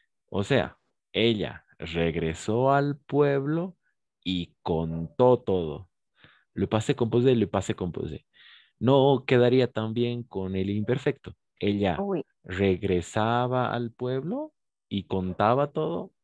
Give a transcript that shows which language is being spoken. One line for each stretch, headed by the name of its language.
Spanish: O sea, ella regresó al pueblo y contó todo.
French: Le passé composé, le passé composé.
Spanish: No quedaría también con el imperfecto. Ella
French: oui.
Spanish: Regresaba al pueblo y contaba todo.